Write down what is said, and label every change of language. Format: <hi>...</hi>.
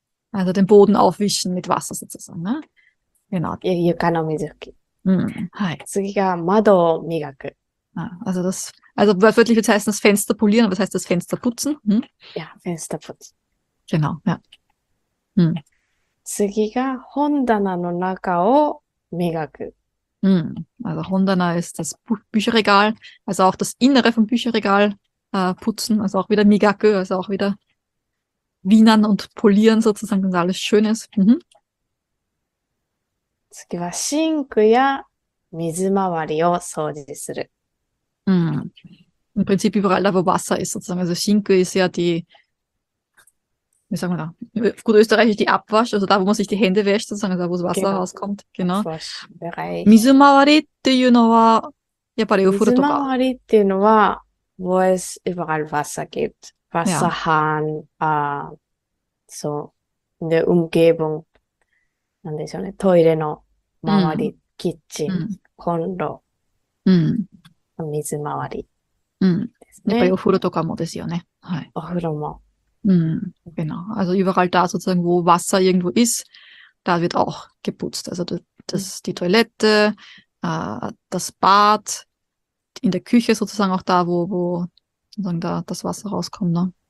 <de>あと、den Boden aufwischen mit Wasser sozusagen, ne?</de> <ja>Genau. 床の水かき。うん。はい。次が、窓を磨く。</ja> <de>Ah, also, das, also, wörtlich heißt das Fenster polieren, was heißt das Fenster putzen? Hm? Ja, Fenster putzen. Genau, ja.</de> <ja>Hm. 次が、Hondana の中を磨く。 Hm.</ja> <de>Also, Hondana ist das Bücherregal, also auch das Innere vom Bücherregal putzen, also auch wieder Migaku, also auch wieder Wienern und polieren sozusagen, dass alles schön ist. Mhm.</de> <ja>次は、シンクや水回りを掃除する。 Mm.</ja> <de>Im Prinzip überall da, wo Wasser ist, sozusagen. Also Schinke ist ja die, wie sagen wir da, gut österreichisch die Abwasch, also da, wo man sich die Hände wäscht, sozusagen, da, wo das Wasser rauskommt. Genau. Abwaschbereich.</de> <ja>Mizumawari っていうのは、やっぱりお風呂とか。 Mizumawari っていうのは、</ja> <de>wo es überall Wasser gibt. Wasserhahn, so, in der Umgebung.</de> <ja>なんでしょうね。トイレの周り、キッチン、コンロ。水回り、ね。やっぱりお風呂とかもですよね。はい。お風呂も。</ja> <de>Genau. Also überall da sozusagen, wo Wasser irgendwo ist, da wird auch geputzt. Also das, die Toilette, das Bad, in der Küche sozusagen auch da, wo, wo sozusagen da das Wasser rauskommt. Ne?</de>